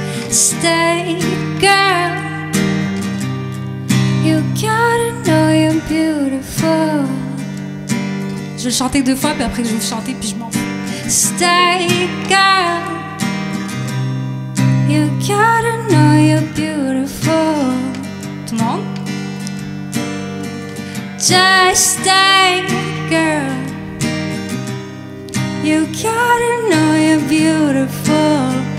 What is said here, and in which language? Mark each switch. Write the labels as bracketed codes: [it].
[en] Stay, girl, you gotta know you're beautiful. [fr] Je vais chanter deux fois, puis après je vais vous chanter, puis je m'en fous. [en] Stay, girl, you gotta know you're beautiful. [fr] Tout le monde? [en] Just stay, girl, you gotta know you're beautiful.